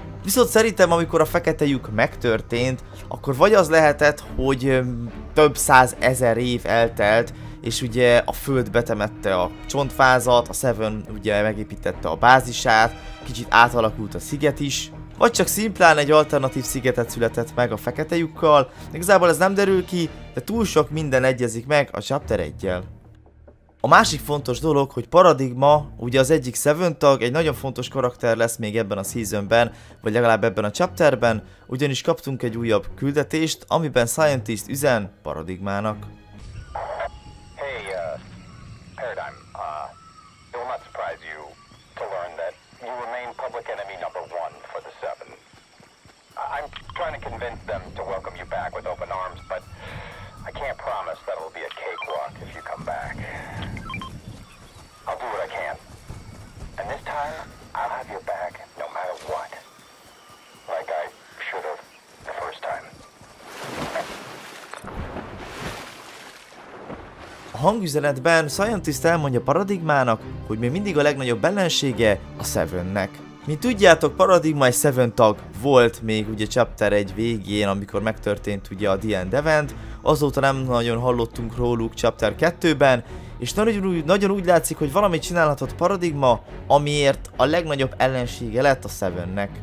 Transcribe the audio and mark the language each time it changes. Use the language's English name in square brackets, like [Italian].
[Hungarian] Viszont szerintem, amikor a fekete lyuk megtörtént, akkor vagy az lehetett, hogy több száz ezer év eltelt, és ugye a föld betemette a csontvázat, a Seven ugye megépítette a bázisát, kicsit átalakult a sziget is, vagy csak szimplán egy alternatív szigetet született meg a fekete lyukkal, igazából ez nem derül ki, de túl sok minden egyezik meg a Chapter 1-jel. A másik fontos dolog, hogy Paradigma, ugye az egyik Seven tag, egy nagyon fontos karakter lesz még ebben a seasonben, vagy legalább ebben a chapterben, ugyanis kaptunk egy újabb küldetést, amiben Scientist üzen Paradigmának. [English] Hey, Paradigm, it will not surprise you to learn that you remain public enemy number one for the Seven. I'm trying to convince them to welcome you back with open arms, but I can't promise that it'll be a cakewalk if you come back. I'll do what I can. And this time, I'll have your back no matter what. Like I should have the first time. [Hungarian] A hangüzenetben Scientist elmondja Paradigmának, hogy még mindig a legnagyobb ellensége a Sevennek. Mint tudjátok, Paradigma egy Seven tag volt még ugye Chapter 1 végén, amikor megtörtént ugye a The End Event, azóta nem nagyon hallottunk róluk Chapter 2-ben, és nagyon úgy látszik, hogy valamit csinálhatott Paradigma, amiért a legnagyobb ellensége lett a Sevennek.